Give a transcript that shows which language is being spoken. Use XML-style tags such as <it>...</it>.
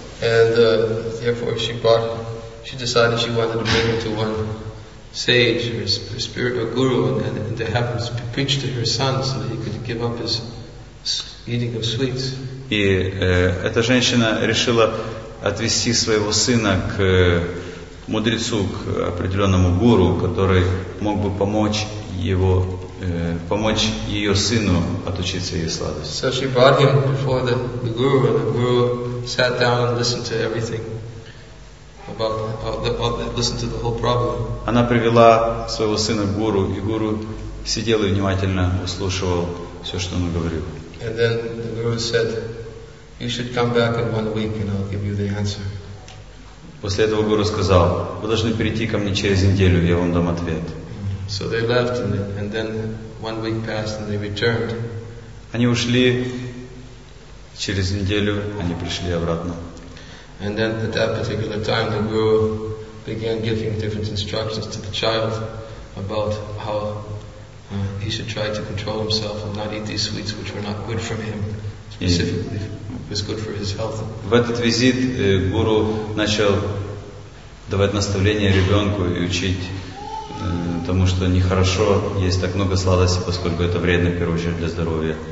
<en>And therefore she decided she wanted to bring her to one sage or spirit or guru and to have him preach to her son so that he could give up his eating of sweets.</en> <ru>И эта женщина решила отвести своего сына к мудрецу, к определенному гуру, который мог бы помочь ее сыну отучиться ей сладости.</ru> <en>So she brought him before the guru, and the guru sat down and listened to everything listened to the whole problem.</en> <ru>Она привела своего сына к гуру, и гуру сидел и внимательно выслушивал все, что он говорил.</ru> <en>And then the guru said, "You should come back in 1 week, and I'll give you the answer."</en> <ru>После этого гуру сказал, вы должны прийти ко мне через неделю, я вам дам ответ.</ru> <en>So they left and then 1 week passed and they returned.</en> <ru>Они ушли, через неделю они пришли обратно.</ru> <en>And then at that particular time the guru began giving different instructions to the child about how he should try to control himself and not eat these sweets which were not good for him. Specifically, it was good for his health.</en> <ru>В этот визит гуру начал давать наставления ребенку и учить тому, что нехорошо есть так много сладости, поскольку это вредно, в первую очередь, для здоровья.</ru>